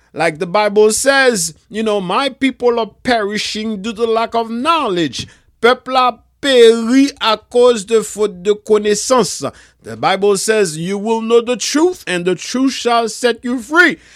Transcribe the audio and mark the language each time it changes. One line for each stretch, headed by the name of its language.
English: Like the Bible says, you know, my people are perishing due to lack of knowledge.
French: Peuple a péri à cause de faute de connaissance.
English: The Bible says, you will know the truth and the truth shall set you free.